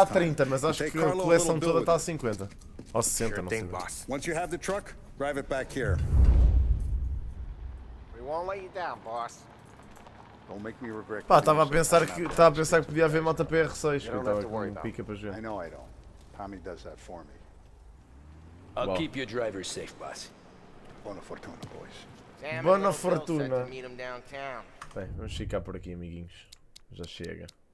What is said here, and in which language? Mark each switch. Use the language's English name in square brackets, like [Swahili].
[Portuguese] Este está a 30, mas acho que a coleção toda está a 50. Ou 60, [English] sure thing, boss. Once you have the truck, drive it back here. We won't let you down, boss. Don't make me regret. [Portuguese] Pá, estava a pensar que podia haver moto PR6, que estava com pica para ver. [English] I know I don't. Tommy does that for me. I'll keep your driver safe, boss. [Portuguese] Boa fortuna, boys. Boa fortuna. Bem, vamos ficar por aqui, amiguinhos. Já chega.